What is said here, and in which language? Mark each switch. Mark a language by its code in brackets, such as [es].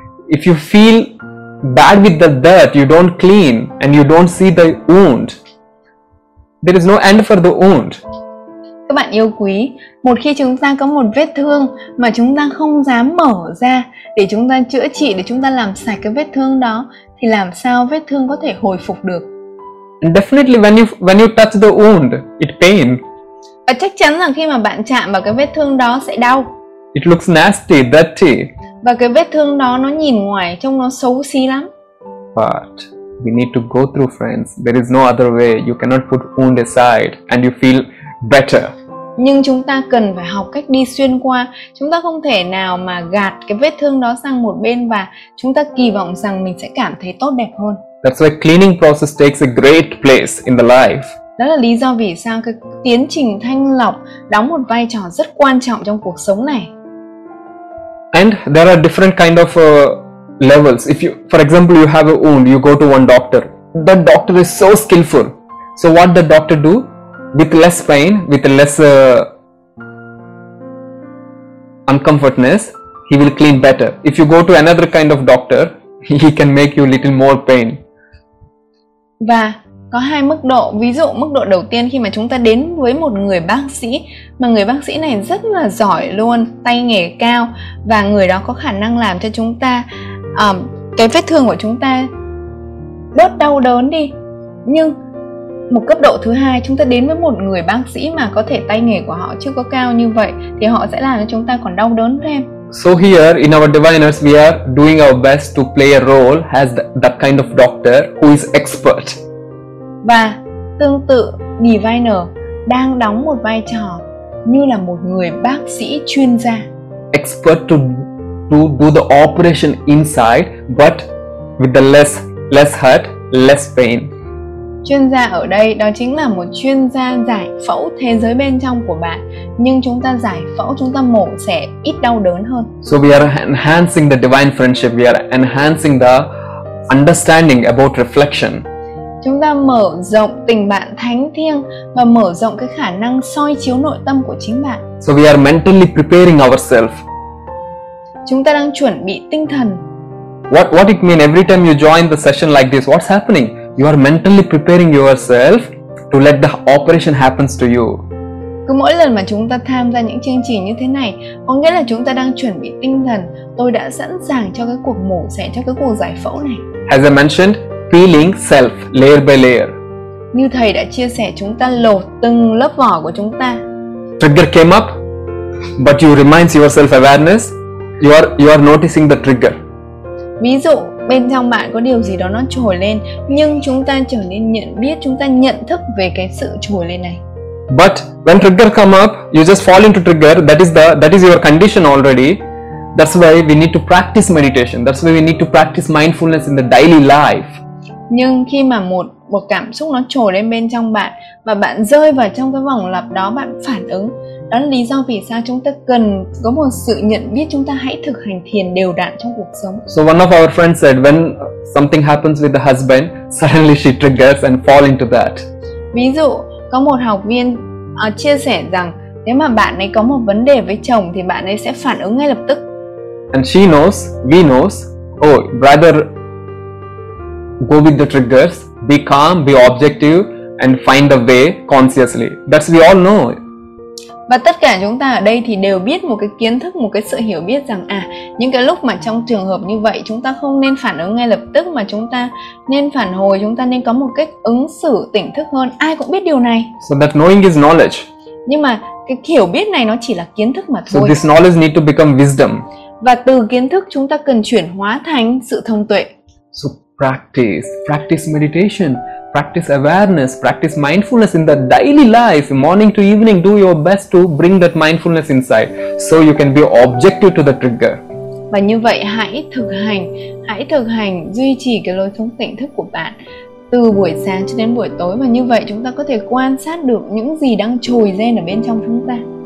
[en] If you feel bad with the dirt, you don't clean and you don't see the wound, there is no end for the wound. [vi] Các bạn yêu quý, một khi chúng ta có một vết thương mà chúng ta không dám mở ra để chúng ta chữa trị, để chúng ta làm sạch cái vết thương đó, thì làm sao vết thương có thể hồi phục được? [en] And definitely when you touch the wound, it pain. [vi] Và chắc chắn rằng khi mà bạn chạm vào cái vết thương đó sẽ đau. [en] It looks nasty, dirty. [vi] Và cái vết thương đó nó nhìn ngoài trông nó xấu xí lắm. [en] But we need to go through, friends. There is no other way. You cannot put wound aside and you feel better. [vi] Nhưng chúng ta cần phải học cách đi xuyên qua. Chúng ta không thể nào mà gạt cái vết thương đó sang một bên và chúng ta kỳ vọng rằng mình sẽ cảm thấy tốt đẹp hơn. [en] That's why cleaning process takes a great place in the life. [vi] Đó là lý do vì sao cái tiến trình thanh lọc đóng một vai trò rất quan trọng trong cuộc sống này. [en] And there are different kind of levels. If you, for example, you have a wound, you go to one doctor. That doctor is so skillful. So what the doctor do? With less pain, with less uncomfortness, he will clean better. If you go to another kind of doctor, he can make you little more pain. [vi] Và có hai mức độ. Ví dụ mức độ đầu tiên khi mà chúng ta đến với một người bác sĩ, mà người bác sĩ này rất là giỏi luôn, tay nghề cao, và người đó có khả năng làm cho chúng ta cái vết thương của chúng ta bớt đau đớn đi. Nhưng một cấp độ thứ hai, chúng ta đến với một người bác sĩ mà có thể tay nghề của họ chưa có cao như vậy, thì họ sẽ làm cho chúng ta còn đau đớn thêm. [en] So here in our diviners, we are doing our best to play a role as that kind of doctor who is expert. [vi] Và tương tự, diviner đang đóng một vai trò như là một người bác sĩ chuyên gia. [en] Expert to do the operation inside, but with the less hurt, less pain. [vi] Chuyên gia ở đây đó chính là một chuyên gia giải phẫu thế giới bên trong của bạn, nhưng chúng ta giải phẫu, chúng ta mổ sẽ ít đau đớn hơn. [en] So we are enhancing the divine friendship, we are enhancing the understanding about reflection. [vi] Chúng ta mở rộng tình bạn thánh thiêng và mở rộng cái khả năng soi chiếu nội tâm của chính bạn. [en] So we are mentally preparing ourselves. [vi] Chúng ta đang chuẩn bị tinh thần. [en] What it mean every time you join the session like this, what's happening? You are mentally preparing yourself to let the operation happens to you. [vi] Cứ mỗi lần mà chúng ta tham gia những chương trình như thế này, có nghĩa là chúng ta đang chuẩn bị tinh thần. Tôi đã sẵn sàng cho cái cuộc mổ xẻ, cho cái cuộc giải phẫu này. [en] As I mentioned, peeling self layer by layer. [vi] Như thầy đã chia sẻ, chúng ta lột từng lớp vỏ của chúng ta. [en] Trigger came up, but you remind yourself awareness. You are noticing the trigger. [vi] Ví dụ bên trong bạn có điều gì đó nó trồi lên, nhưng chúng ta trở nên nhận biết, chúng ta nhận thức về cái sự trồi lên này. [en] But when trigger come up, you just fall into trigger. That is your condition already. That's why we need to practice meditation. That's why we need to practice mindfulness in the daily life. [vi] Nhưng khi mà một cảm xúc nó trồi lên bên trong bạn và bạn rơi vào trong cái vòng lặp đó, bạn phản ứng, đó là lý do vì sao chúng ta cần có một sự nhận biết, chúng ta hãy thực hành thiền đều đặn trong cuộc sống. [en] So one of our friends said when something happens with the husband, suddenly she triggers and fall into that. [vi] Ví dụ có một học viên chia sẻ rằng nếu mà bạn ấy có một vấn đề với chồng thì bạn ấy sẽ phản ứng ngay lập tức. [en] And she knows, we knows, oh, rather go with the triggers, be calm, be objective and find the way consciously. That's we all know. [vi] Và tất cả chúng ta ở đây thì đều biết một cái kiến thức, một cái sự hiểu biết rằng à, những cái lúc mà trong trường hợp như vậy chúng ta không nên phản ứng ngay lập tức mà chúng ta nên phản hồi, chúng ta nên có một cách ứng xử tỉnh thức hơn. Ai cũng biết điều này. [en] So that knowing is knowledge. [vi] Nhưng mà cái hiểu biết này nó chỉ là kiến thức mà thôi. [en] So this knowledge need to become wisdom. [vi] Và từ kiến thức chúng ta cần chuyển hóa thành sự thông tuệ. [en] So practice meditation. Practice awareness, practice mindfulness in the daily life, morning to evening, do your best to bring that mindfulness inside so you can be objective to the trigger. [vi] Và như vậy hãy thực hành duy trì cái lối sống tỉnh thức của bạn từ buổi sáng cho đến buổi tối, và như vậy chúng ta có thể quan sát được những gì đang trồi lên ở bên trong chúng ta.